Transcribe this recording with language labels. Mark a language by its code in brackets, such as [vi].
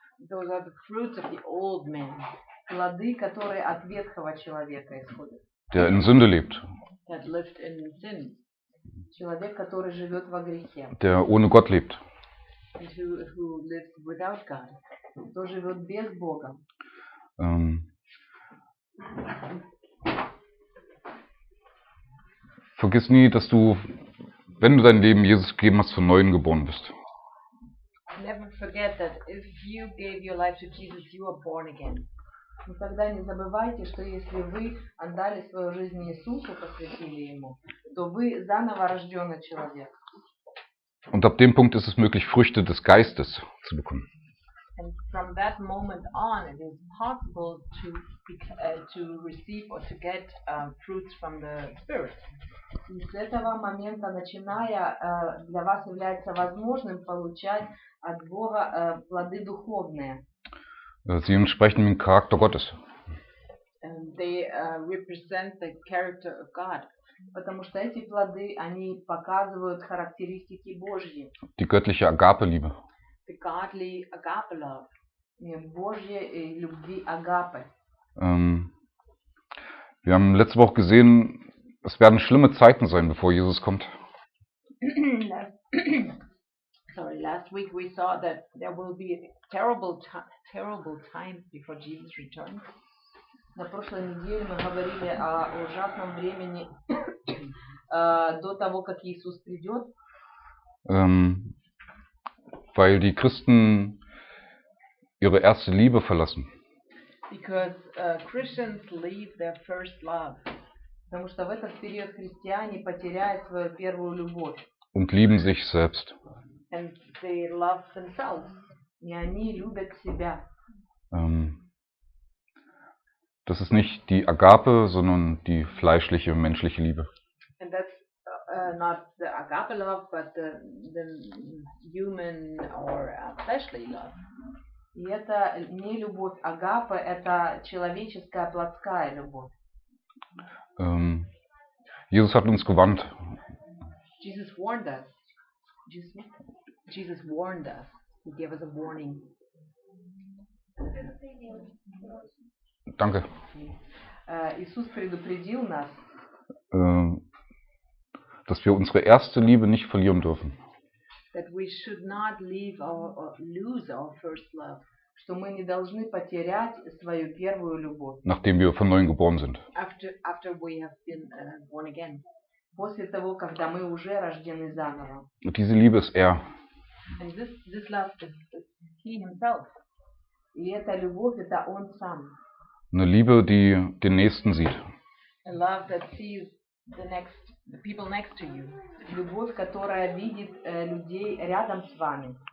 [en] Those are the fruits of the old man. [ru] Плоды, которые от ветхого человека исходят. [de] Der in Sünde lebt. [en] That lived in sin. [ru] Человек, который живет во грехе. [de] Der ohne Gott lebt. [en] And who lives without God. [ru] Кто живет без Бога. [de] Vergiss nie, dass du, wenn du dein Leben Jesus gegeben hast, von Neuem geboren bist. [en] Never forget that if you gave your life to Jesus, you are born again. [ru] Никогда не забывайте, что если вы отдали свою жизнь Иисусу, посвятили ему, то вы заново рожденный человек. [de] Und ab dem Punkt ist es möglich, Früchte des Geistes zu bekommen. [en] And from that moment on, it is possible to receive or to get fruits from the Spirit. [ru] И с этого момента начиная для вас является возможным получать от Бога плоды духовные. [de] Sie entsprechen dem Charakter Gottes. [en] They represent the character of God. [ru] Потому что эти плоды, они показывают характеристики Божьи. [de] Die göttliche Agape-Liebe. [en] The godly agape love. [ru] Божье и любви агапы. [de] Wir haben letzte Woche gesehen, es werden schlimme Zeiten sein, bevor Jesus kommt. [en] Sorry, last week we saw that there will be a terrible time before Jesus returns. [ru] На прошлой неделе мы говорили о ужасном времени до того, как Иисус придет. [de] Weil die Christen ihre erste Liebe verlassen. [en] Because Christians leave their first love. [ru] Потому что в этот период христиане потеряют свою первую любовь. [de] Und lieben sich selbst. [en] And they love themselves. [ru] И они любят себя. [de] Das ist nicht die Agape, sondern die fleischliche, menschliche Liebe. [en] And that's not the agape love, but the human or fleshly love. [ru] И это не любовь агапы, это человеческая, плотская любовь. [de] Jesus hat uns gewarnt. [en] Jesus warned us. Jesus warned us. He gave us a warning. [de] Danke. [ru] Jesus предупредил нас, [de] dass wir unsere erste Liebe nicht verlieren dürfen. [en] That we should not leave or lose our first love. [ru] Что мы не должны потерять свою первую любовь. [de] Nachdem wir von Neuem geboren sind. [en] After we have been born again. [ru] После того, когда мы уже рождены заново. [de] Und diese Liebe ist er. [en] And this love is he himself. [ru] И эта любовь, это он сам. [de] Eine Liebe, die den Nächsten sieht. [en] A love that sees the people next to you. [ru] Любовь, которая видит людей рядом с вами.